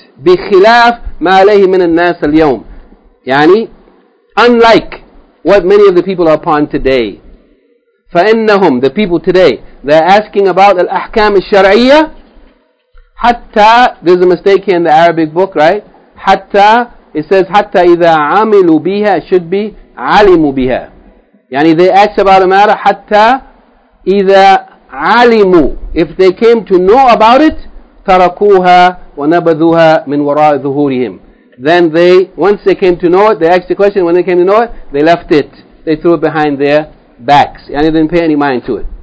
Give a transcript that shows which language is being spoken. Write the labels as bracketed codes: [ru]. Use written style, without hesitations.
[ar] بِخِلَافْ مَا عَلَيْهِ مِنَ النَّاسَ الْيَوْمِ. يعني, [en] unlike what many of the people are upon today. [ar] فَإِنَّهُمْ, [en] the people today, they're asking about [ar] الْأَحْكَامِ الشَّرْعِيَّةِ حَتَّى, [en] there's a mistake here in the Arabic book, right? [ar] حَتَّى, [en] it says, [ar] حَتَّى إِذَا عَمِلُوا بِهَا, [en] should be [ar] عَلِمُوا بِهَا. يعني, [en] they ask about a matter, [ar] حَتَّى إِذَا عَلِمُوا, [en] if they came to know about it, [ar] تَرَكُوهَا وَنَبَذُوهَا مِنْ وَرَاءِ ظُهُورِهِمْ. [en] Then they, once they came to know it, they asked the question, when they came to know it, they left it. They threw it behind their backs. And they didn't pay any mind to it.